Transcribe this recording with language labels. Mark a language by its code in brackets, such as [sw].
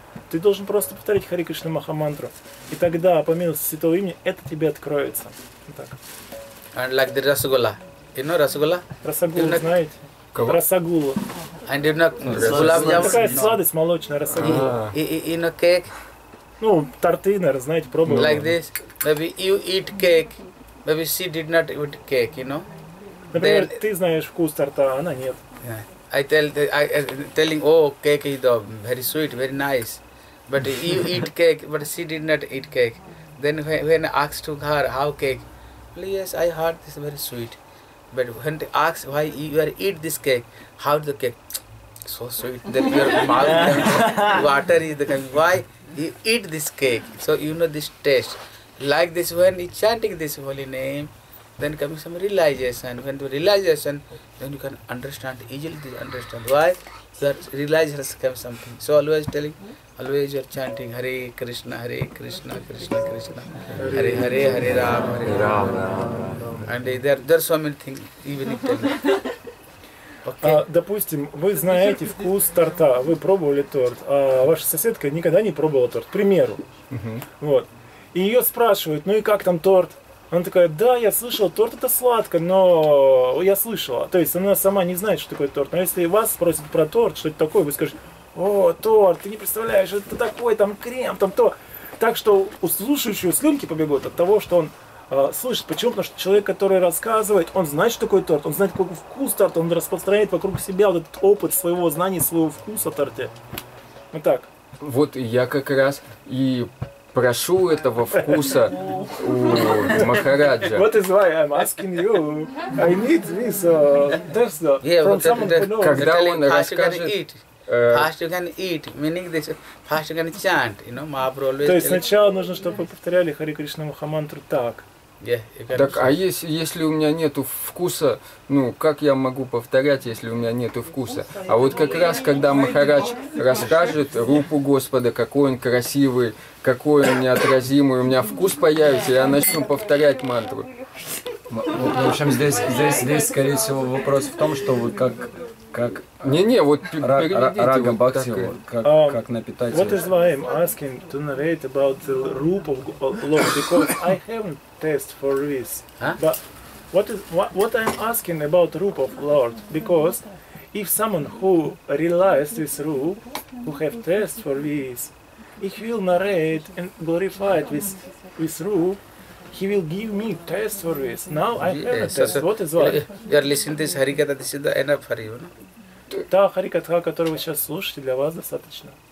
[ru] Ты должен просто повторить Хари Кришна Махамантру. И тогда, по милости святого имени, это тебе откроется. Вот так. [en] And like the Rasagula. You know Rasagula? [ru] Rasagula, знаете? Кого? Rasagula. [en] And you know Gulab Jamun? [ru] Такая сладость молочная, Rasagula. [en] You know cake? [ru] Ну, торты, наверное, знаете, пробовали. [en] Like this. Maybe you eat cake. Maybe she did not eat cake, you know? [ru] Например, ты знаешь вкус торта, а она нет. [en] I telling, oh, cake is very sweet, very nice. But you eat cake, but she did not eat cake. Then when I asked to her, how cake? Well, yes, I heard this very sweet. But when they ask why you are eat this cake, how the cake? So sweet. Then your mouth, water is the cake. Why you eat this cake? So you know this taste. Like this, when you chanting this holy name, then comes some realization. When the realization, then you can understand easily. Understand why? That realization comes something. So always telling, always you are chanting Hare Krishna, Hare Krishna, Krishna Krishna, Hare Hare, Hare Ram, Hare Ram. And there are so many things even telling. [ru] А, допустим, вы знаете вкус торта, вы пробовали торт, а ваша соседка никогда не пробовала торт, к примеру. Вот. И ее спрашивают, ну и как там торт? Она такая, да, я слышала, торт это сладко, но я слышала. То есть она сама не знает, что такое торт. Но если вас спросят про торт, что это такое, вы скажете, о, торт, ты не представляешь, это такой там крем, там то. Так что у слушающего слюнки побегут от того, что он слышит. Почему? Потому что человек, который рассказывает, он знает, что такое торт, он знает, какой вкус торта, он распространяет вокруг себя вот этот опыт своего знания, своего вкуса торта. Вот так. Вот я как раз и прошу этого вкуса у Махараджа. [en] What is why I'm asking you? I need this from someone who knows. [ru] Когда он расскажет... [en] First you can eat, meaning this, first you can chant, you know, Mahaprabhu always... [ru] То есть сначала нужно, чтобы вы повторяли Хари Кришна Махамантру так. [en] Yeah, [ru] так, а если у меня нету вкуса, ну, как я могу повторять, если у меня нету вкуса? А вот как раз, когда Махарадж расскажет рупу Господа, какой он красивый, какой он неотразимый, у меня вкус появится, я начну повторять мантру. В общем, здесь, скорее всего, вопрос в том, что вы как... Не-не, вот Рага Бхакти, как напитать [en] его. What is why I'm asking to narrate about the rupa of Lord, because I haven't test for this. Huh? But what I'm asking about rupa of Lord, because if someone who realized this rupa, who have test for this, if he will narrate and glorify this rupa, he will give me test for this. Now I have a test. What is what? You are listening to this Harikatha, this is enough for you. [ru] Та Харикатха, которую вы сейчас слушаете, для вас достаточно.